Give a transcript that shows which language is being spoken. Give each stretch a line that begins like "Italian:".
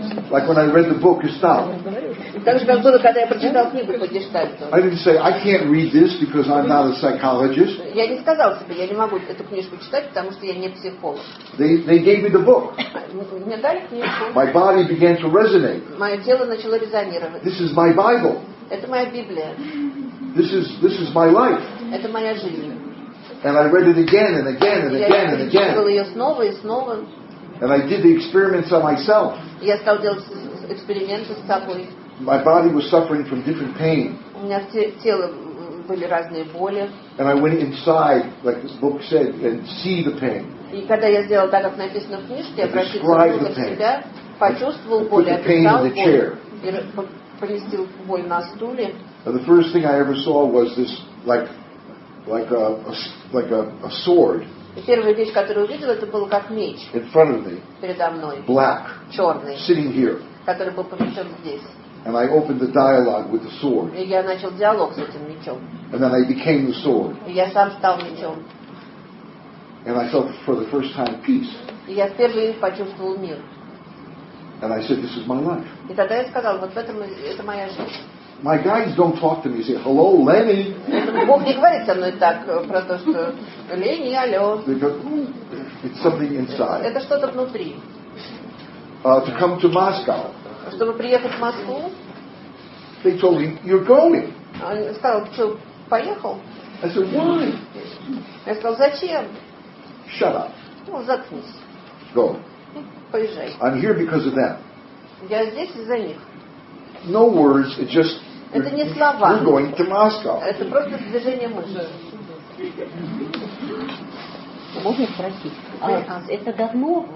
English: Like when I read the book, you stop.
Russian: Так же, как было, когда я прочитал книгу по гештальту.
English: I didn't say, I can't read this because I'm not a psychologist.
Russian: Я не сказал себе, я не могу эту книжку читать, потому что я не психолог.
English: They gave me the book.
Russian: Мне дали книжку.
English: My body began to resonate.
Russian: Мое тело начало резонировать.
English: This is my Bible.
Russian: Это моя Библия.
English: This is my life.
Russian: Это моя жизнь.
English: And I read it again and again and again and again.
Russian: Я прочитал ее снова и снова.
English: And I did the experiments on myself.
Russian: Я стал делать эксперименты с собой.
English: My body was suffering from different pain.
Russian: У меня в теле были разные боли.
English: And I went inside, like the book said, and see the pain.
Russian: И когда я сделал так, как написано в книжке, я прочитал внутрь себя, почувствовал боль, описал боль, и поместил боль на стуле.
English: And the first thing I ever saw was this, like a sword.
Russian: Первая вещь, которую увидел, это было как меч.
English: In front of me.
Russian: Передо мной.
English: Black.
Russian: Черный.
English: Sitting here.
Russian: Который был помещен здесь.
English: And I opened the dialogue with the sword.
Russian: И я начал диалог с этим мечом.
English: And then I became the sword.
Russian: И я сам стал мечом.
English: And I felt for the first time peace.
Russian: И я впервые почувствовал мир.
English: And I said, this is my life.
Russian: И тогда я сказал, вот в этом это моя жизнь.
English: My guides don't talk to me. They say, "Hello, Lenny."
Russian: Бог не говорит со мной так про то, что Ленни, алло.
English: It's something inside.
Russian: Это что-то внутри.
English: To come to Moscow.
Russian: Чтобы приехать в Москву.
English: They told me, "You're going."
Russian: Он сказал, что поехал.
English: I said, "Why?"
Russian: Я сказал, зачем?
English: Shut up.
Russian: Ну, заткнись.
English: Go.
Russian: Поезжай.
English: I'm here because of them.
Russian: Я здесь из-за них.
English: No words, it's just you're going to Moscow.
Russian: Это просто движение мышц. Можно спросить, а это давно?